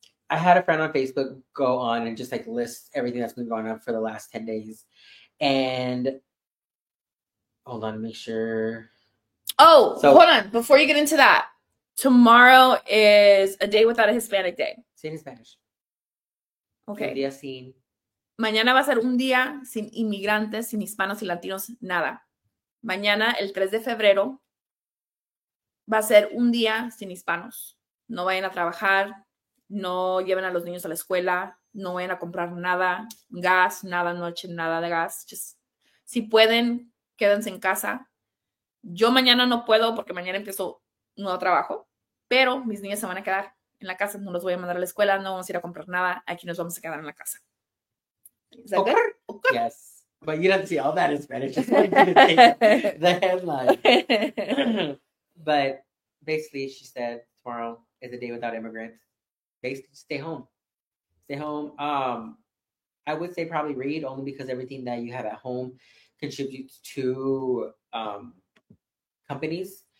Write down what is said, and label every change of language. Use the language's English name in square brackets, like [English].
[English] I had a friend on Facebook go on and just like list everything that's been going on for the last 10 days. And hold on, make sure. Oh, so, hold on. Before you get into that, tomorrow is a day without a Hispanic day. Say it in Spanish. Okay. [Spanish] Un día sin. Mañana va a ser un día sin inmigrantes, sin hispanos y latinos, nada. Mañana, el 3 de febrero, va a ser un día sin hispanos. No vayan a trabajar, no lleven a los niños a la escuela, no vayan a comprar nada, gas, nada, noche, nada de gas. Just, si pueden, quédense en casa. Yo mañana no puedo porque mañana empiezo un nuevo trabajo, pero mis niños se van a quedar en la casa. No los voy a mandar a la escuela, no vamos a ir a comprar nada. Aquí nos vamos a quedar en la casa. [English] Is that okay. Good? Okay. Yes. But you don't see all that in Spanish. Just wanted you to take the headline. But basically, she said tomorrow is a day without immigrants. Basically, stay home. Stay home. I would say probably read, only because everything that you have at home contributes to companies.